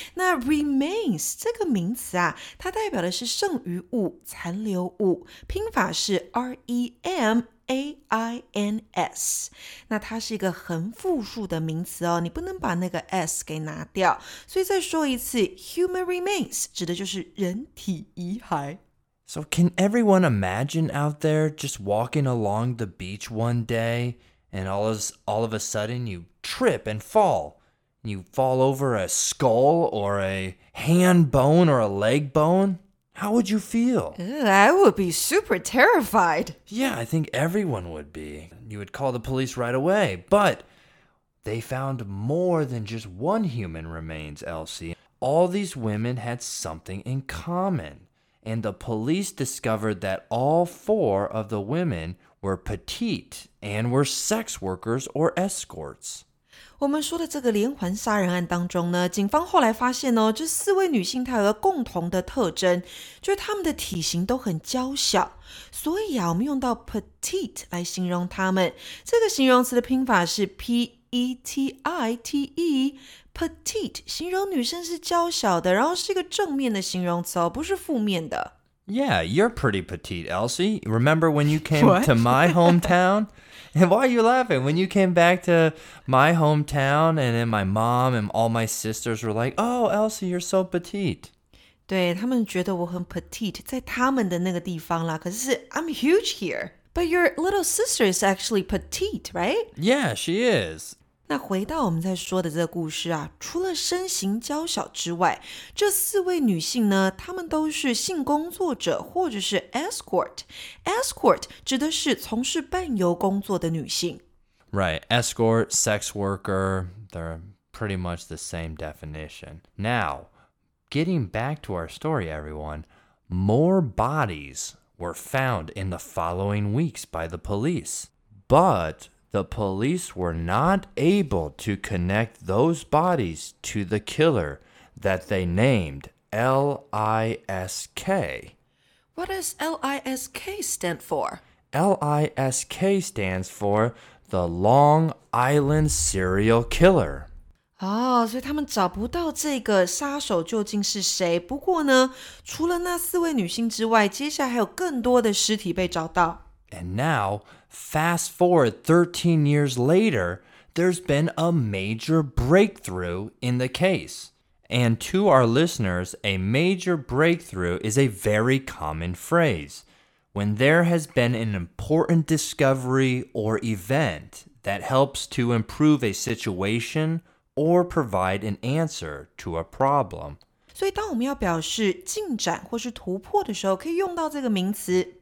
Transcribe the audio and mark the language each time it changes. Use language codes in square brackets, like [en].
[zh] 那 remains 这个名词啊，它代表的是剩余物、残留物，拼法是 remains。那它是一个很复数的名词哦，你不能把那个 s 给拿掉。所以再说一次， human remains 指的就是人体遗骸。 [en] So can everyone imagine out there just walking along the beach one day and all of a sudden you trip and fall? You fall over a skull or a hand bone or a leg bone? How would you feel? I would be super terrified. Yeah, I think everyone would be. You would call the police right away. But they found more than just one human remains, Elsie. All these women had something in common. And the police discovered that all four of the women were petite and were sex workers or escorts. [zh] 我们说的这个连环杀人案当中呢，警方后来发现哦，这四位女性她有个共同的特征，就是她们的体型都很娇小。所以啊，我们用到 petite 来形容她们。这个形容词的拼法是 P-E-T-I-T-E。 Petite, 形容女生是娇小的，然后是一个正面的形容词哦，不是负面的。 [en] Yeah, you're pretty petite, Elsie. Remember when you came to my hometown? And why are you laughing? When you came back to my hometown, and then my mom and all my sisters were like, oh, Elsie, you're so petite. [zh] 对，他们觉得我很 petite, 在他们的那个地方啦，可是 [en] I'm huge here. But your little sister is actually petite, right? Yeah, she is. [zh] 那回到我们在说的这个故事啊，除了身形娇小之外，这四位女性呢，她们都是性工作者或者是 escort。 escort 指的是从事伴游工作的女性。 [en] Right, escort, sex worker, they're pretty much the same definition. Now, getting back to our story, everyone, more bodies were found in the following weeks by the police. But... The police were not able to connect those bodies to the killer that they named L-I-S-K. What does L-I-S-K stand for? L-I-S-K stands for the Long Island Serial Killer. [zh] 所以他们找不到这个杀手究竟是谁。不过呢，除了那四位女性之外，接下来还有更多的尸体被找到。 [en] And now, fast forward 13 years later, there's been a major breakthrough in the case. And to our listeners, a major breakthrough is a very common phrase. When there has been an important discovery or event that helps to improve a situation or provide an answer to a problem. [zh] 所以当我们要表示进展或是突破的时候，可以用到这个名词。